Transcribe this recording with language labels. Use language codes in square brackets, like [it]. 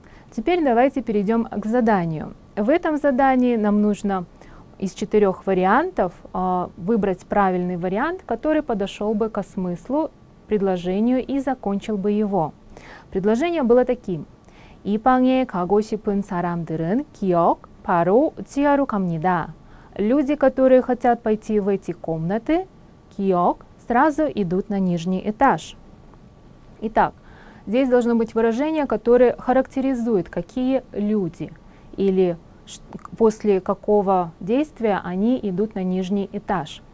[ru] Теперь давайте перейдем к заданию. В этом задании нам нужно из четырех вариантов выбрать правильный вариант, который подошел бы ко смыслу, предложению и закончил бы его. Предложение было таким. [ko] «이 방에 가고 싶은 사람들은 기억 바로 지하로 갑니다». [ru] Люди, которые хотят пойти в эти комнаты, [ko] 기억, [ru] сразу идут на нижний этаж. Итак, здесь должно быть выражение, которое характеризует, какие люди или после какого действия они идут на нижний этаж.